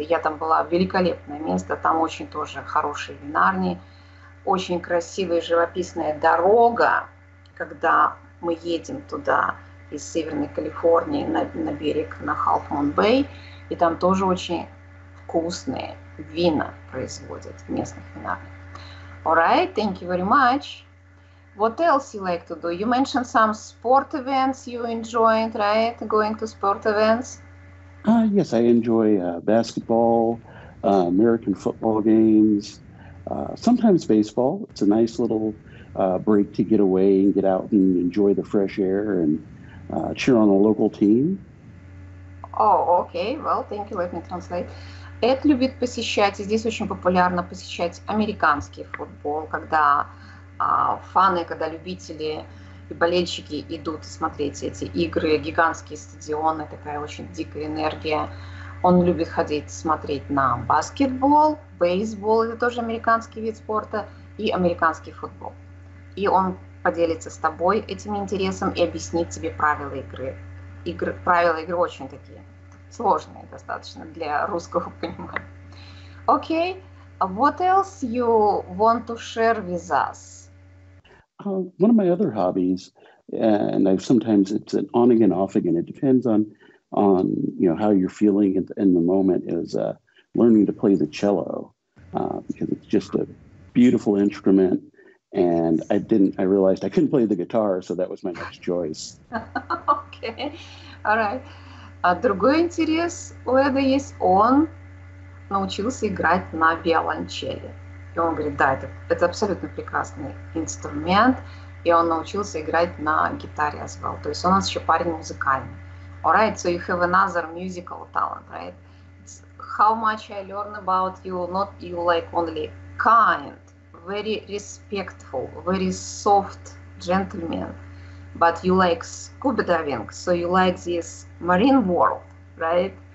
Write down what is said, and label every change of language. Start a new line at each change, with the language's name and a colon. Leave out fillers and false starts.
Russian: Я там была, великолепное место, там очень тоже хорошие винарни, очень красивая живописная дорога, когда мы едем туда из Северной Калифорнии на берег, на Half Moon Bay, и там тоже очень вкусные вина производят в местных винарнях.
English: All right, thank you very much. What else you like to do? You mentioned some sport events you enjoyed, right? Going to sport events? Yes, I enjoy basketball, American football games, sometimes baseball. It's a nice little break to get away and get out and enjoy the fresh air and cheer on a local team. Oh, okay. Well, thank you. Let me translate.
Russian: Эд любит посещать, и здесь очень популярно посещать американский футбол, когда фаны, когда любители и болельщики идут смотреть эти игры, гигантские стадионы, такая очень дикая энергия. Он любит ходить смотреть на баскетбол, бейсбол, это тоже американский вид спорта, и американский футбол. И он поделится с тобой этим интересом и объяснит тебе правила игры. Правила игры очень такие сложные достаточно для русского понимания.
English: Окей, what else you want to share with us? One of my other hobbies, and I've sometimes it's an on again, off again. It depends on you know how you're feeling in the moment. Is learning to play the cello because it's just a beautiful instrument. And I realized I couldn't play the guitar, so that was my next choice. Okay, all right.
Russian: Другой интерес у Эда есть. Он научился играть на виолончели. И он говорит, да, это абсолютно прекрасный инструмент. И он научился играть на гитаре
English: as well.
Russian: То есть он у нас еще парень музыкальный.
English: All right, so you have another musical talent, right? It's how much I learn about you, not you like only kind, very respectful, very soft gentleman. But you like scuba diving, so you like this marine world, right?